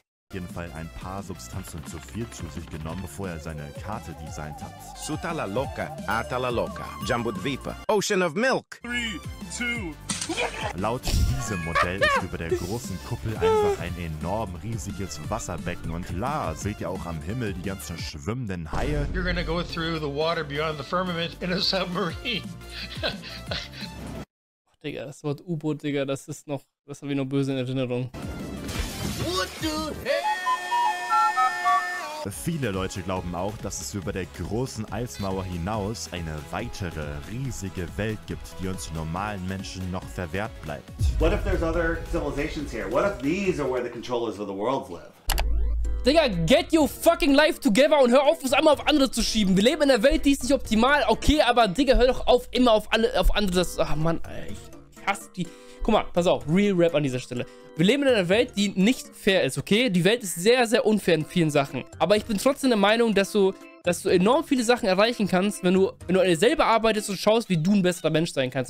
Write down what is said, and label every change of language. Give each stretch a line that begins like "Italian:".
German: Jedenfalls ein paar Substanzen zu viel zu sich genommen, bevor er seine Karte designt hat.
English: Sutala loca, atala loca, Jambudvipa, Ocean of Milk. 3, 2.
German: Laut diesem Modell ist über der großen Kuppel einfach ein enorm riesiges Wasserbecken und klar, seht ihr auch am Himmel die ganzen schwimmenden Haie.
English: You're gonna go through the water beyond the firmament in a submarine.
German: Oh, Digga, das Wort U-Boot, Digga, das habe ich noch böse in Erinnerung. Viele Leute glauben auch, dass es über der großen Eismauer hinaus eine weitere riesige Welt gibt, die uns normalen Menschen noch verwehrt bleibt.
English: What if there's other civilizations here? What if these are where the controllers of the world live?
German: Digga,
English: get your fucking life together
German: und hör auf, es einmal auf andere zu schieben. Wir leben in einer Welt, die ist nicht optimal, okay, aber Digga, hör doch auf, immer auf alle, auf andere. Ach Mann, ich hasse die. Guck mal, pass auf, real rap an dieser Stelle. Wir leben in einer Welt, die nicht fair ist, okay? Die Welt ist sehr, sehr unfair in vielen Sachen. Aber ich bin trotzdem der Meinung, dass du enorm viele Sachen erreichen kannst, wenn du an dir selber arbeitest und schaust, wie du ein besserer Mensch sein kannst.